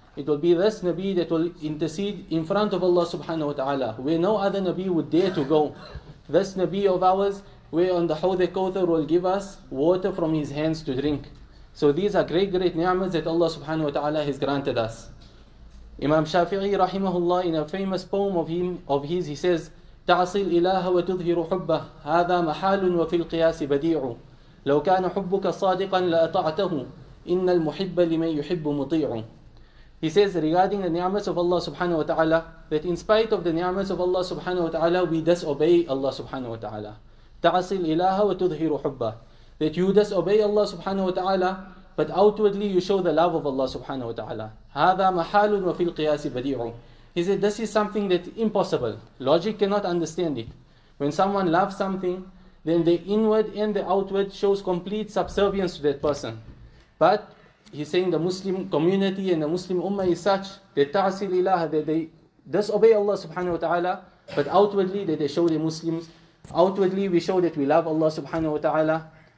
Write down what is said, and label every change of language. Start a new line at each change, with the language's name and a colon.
English: It will be this Nabi that will intercede in front of Allah subhanahu wa ta'ala, where no other Nabi would dare to go. This Nabi of ours, where on the Hawdha Kawthar will give us water from his hands to drink. So these are great, great ni'mas that Allah subhanahu wa ta'ala has granted us. Imam Shafi'i rahimahullah, in a famous poem of his, he says,
Arabic: تعصي الإله وتظهر حبه هذا محال وفي القياس بديع لو كان حبك صادقا لأطعته إن المحب لمن يحب مطيع.
English: He says, regarding the ni'mas of Allah subhanahu wa ta'ala, that in spite of the ni'mas of Allah subhanahu wa ta'ala, we disobey Allah subhanahu wa ta'ala.
Arabic: تعصي الإله وتظهر حبه,
English: that you disobey Allah subhanahu wa ta'ala, but outwardly you show the love of Allah subhanahu wa ta'ala.
Arabic: هذا محال وفي القياس بديع.
English: He said, this is something that's impossible. Logic cannot understand it. When someone loves something, then the inward and the outward shows complete subservience to that person. But he's saying the Muslim community and the Muslim ummah is such that
Arabic: ta'asi lilaha,
English: that they disobey Allah subhanahu wa ta'ala, but outwardly that they show the Muslims, outwardly we show that we love Allah subhanahu wa ta'ala.